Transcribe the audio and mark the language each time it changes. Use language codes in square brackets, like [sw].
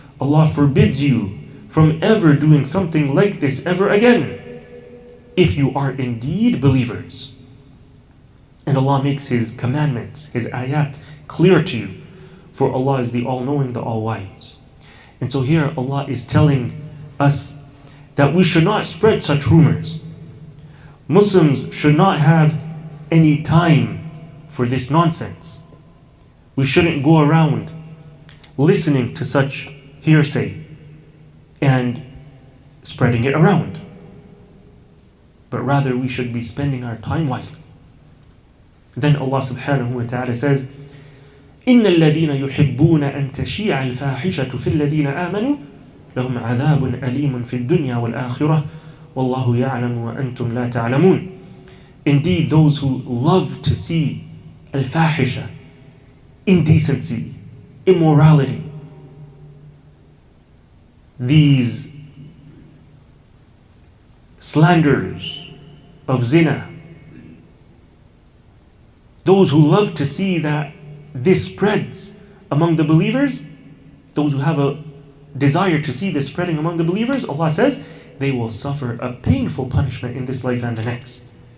[en] Allah forbids you from ever doing something like this ever again, if you are indeed believers. And Allah makes His commandments, His ayat, clear to you, for Allah is the all-knowing, the all-wise. And so here Allah is telling us that we should not spread such rumors. Muslims should not have any time for this nonsense. We shouldn't go around listening to such hearsay and spreading it around, but rather we should be spending our time wisely. Then Allah subhanahu wa ta'ala says, [ar] إِنَّ الَّذِينَ يُحِبُّونَ أَن تَشِيعَ الْفَاحِشَةُ فِي الَّذِينَ آمَنُوا لَهُمْ عَذَابٌ أَلِيمٌ فِي الدُّنْيَا وَالْآخِرَةِ وَاللَّهُ يَعْلَمُ وَأَنْتُمْ لَا تَعْلَمُونَ. [en] Indeed, those who love to see al-fahisha, indecency, immorality, these slanders of zina, those who love to see that this spreads among the believers, those who have a desire to see this spreading among the believers, Allah says, they will suffer a painful punishment in this life and the next.